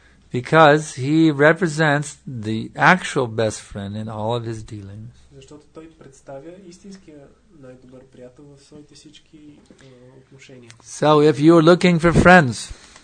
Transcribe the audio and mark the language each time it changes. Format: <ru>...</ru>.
<en>Because he represents the actual best friend in all of his dealings.</en> <bg>Защото той представя истинския най-добър приятел в своите всички отношения.</bg> <en>So if you are looking for friends,</en>